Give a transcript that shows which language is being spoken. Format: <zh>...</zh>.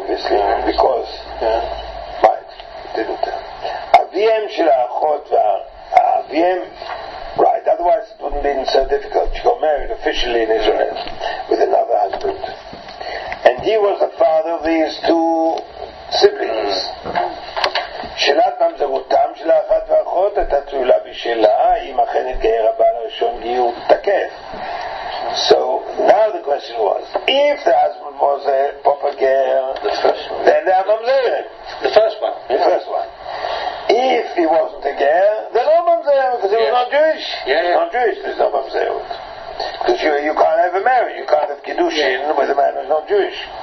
<en>Obviously, because right. Didn't tell.</en> <he>Aviem shel achot aviem.</he> <en>Right. Otherwise, it wouldn't have been so difficult. She got married officially in Israel with another husband, and he was the father of these two siblings.</en> <he>שאלת ממזרותם של האחת והאחות הייתה תלולה בשאלה אם אכן התגייר הבעל הראשון גיור תקף.</he> <en>So now the question was, if the husband was a proper girl, then they are ממזרת. The first one. If he wasn't a girl, then no ממזרת, because he was not Jewish. Yeah. Not Jewish, there's no ממזרת. Because you can't have a marriage, you can't have kiddushin with a man who's not Jewish.</en>